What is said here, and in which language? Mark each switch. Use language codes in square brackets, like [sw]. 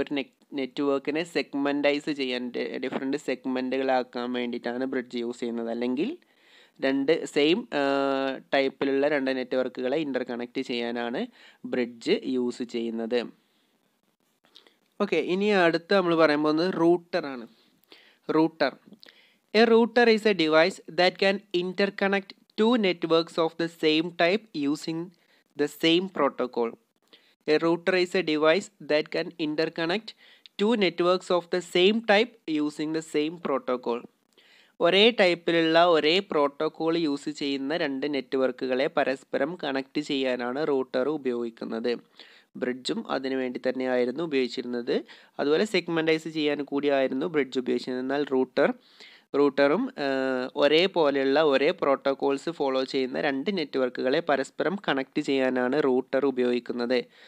[ml] ഒരു നെറ്റ്വർക്കിനെ സെഗ്മെൻറ്റൈസ് ചെയ്യാൻ, ഡിഫറെൻറ്റ് സെഗ്മെൻറ്റുകളാക്കാൻ വേണ്ടിയിട്ടാണ് ബ്രിഡ്ജ് യൂസ് ചെയ്യുന്നത്. അല്ലെങ്കിൽ രണ്ട് സെയിം ടൈപ്പിലുള്ള രണ്ട് നെറ്റ്വർക്കുകളെ ഇൻ്റർ കണക്റ്റ് ചെയ്യാനാണ് ബ്രിഡ്ജ് യൂസ് ചെയ്യുന്നത്. ഓക്കെ, ഇനി അടുത്ത് നമ്മൾ പറയുമ്പോൾ റൂട്ടറാണ്. Router, [en] A router is a device that can interconnect two networks of the same type using the same protocol. A router is a device that can interconnect two networks of the same type using the same protocol. [ml] ഒരേ ടൈപ്പിലുള്ള ഒരേ protocol use ചെയ്യുന്ന രണ്ട് നെറ്റ്വർക്കുകളെ പരസ്പരം connect ചെയ്യാനാണ് router ഉപയോഗിക്കുന്നത്. ബ്രിഡ്ജും അതിനുവേണ്ടി തന്നെയായിരുന്നു ഉപയോഗിച്ചിരുന്നത്. അതുപോലെ സെഗ്മെൻറ്റൈസ് ചെയ്യാൻ കൂടിയായിരുന്നു ബ്രിഡ്ജ് ഉപയോഗിച്ചിരുന്നത്. എന്നാൽ റൂട്ടറും ഒരേപോലെയുള്ള ഒരേ പ്രോട്ടോകോൾസ് ഫോളോ ചെയ്യുന്ന രണ്ട് നെറ്റ്വർക്കുകളെ പരസ്പരം കണക്ട് ചെയ്യാനാണ് റൂട്ടർ ഉപയോഗിക്കുന്നത്.